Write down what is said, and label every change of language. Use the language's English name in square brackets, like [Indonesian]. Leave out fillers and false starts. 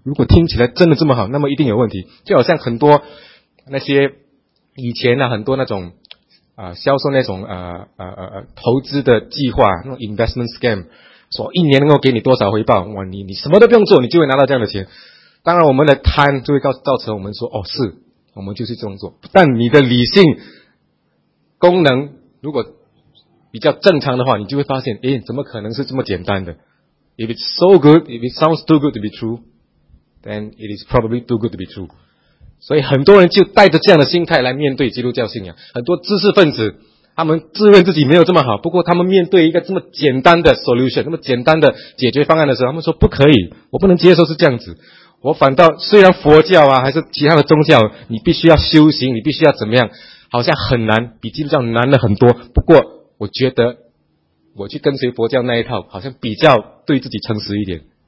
[Chinese] 如果听起来真的这么好，那么一定有问题。就好像很多那些以前啊，很多那种销售那种投资的计划，那种 [English] investment scam， [Chinese] 说一年能够给你多少回报，哇，你什么都不用做，你就会拿到这样的钱。当然我们的贪就会造成我们说，哦，是我们就是这种做。但你的理性功能如果比较正常的话，你就会发现，诶，怎么可能是这么简单的？ [English] If it's so good, if it sounds too good to be true, then it is probably too good to be true. [Chinese] 所以很多人就带着这样的心态来面对基督教信仰。很多知识分子他们自认自己没有这么好，不过他们面对一个这么简单的 solution, 那么简单的解决方案的时候，他们说不可以，我不能接受是这样子。我反倒虽然佛教啊还是其他的宗教，你必须要修行，你必须要怎么样，好像很难，比基督教难了很多，不过我觉得我去跟随佛教那一套好像比较对自己诚实一点。